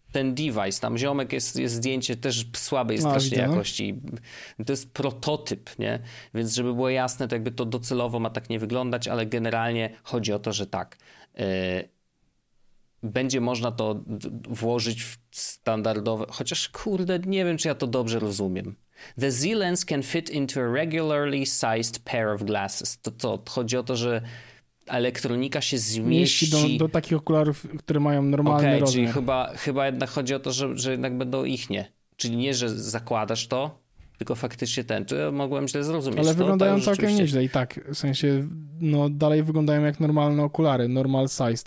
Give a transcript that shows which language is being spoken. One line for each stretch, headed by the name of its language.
Polish: Ten device, tam ziomek jest zdjęcie też słabej strasznie jakości. To jest prototyp, nie? Więc żeby było jasne, to jakby to docelowo ma tak nie wyglądać, ale generalnie chodzi o to, że tak. Będzie można to włożyć w standardowe, chociaż kurde, nie wiem, czy ja to dobrze rozumiem.
English: The Z-Lens can fit into a regularly sized pair of glasses.
Polish: To chodzi o to, że elektronika się zmieści do takich okularów, które mają normalny rozmiar. Czyli chyba jednak chodzi o to, że jednak będą ich nie. Czyli nie, że zakładasz to, tylko faktycznie ten. To ja mogłem źle zrozumieć. Ale to wyglądają całkiem nieźle i tak. W sensie, no dalej wyglądają jak normalne okulary, normal size.